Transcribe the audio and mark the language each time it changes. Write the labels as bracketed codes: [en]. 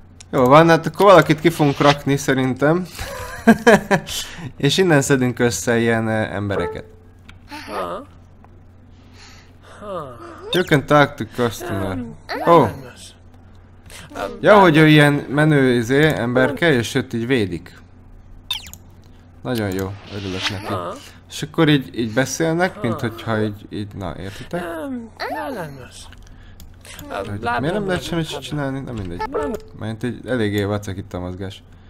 [hu] Jó van, hát akkor valakit ki fogunk rakni szerintem. És innen szedünk össze ilyen embereket. [en] You can talk to customer. [hu] Ja, hogy ő ilyen menő izé emberke, és őt így védik. Nagyon jó, örülök neki. És akkor így beszélnek, mint hogyha így, na értitek? Hogy miért nem lehet semmit csinálni? Na mindegy. Mert így eléggé vacak itt a mozgás.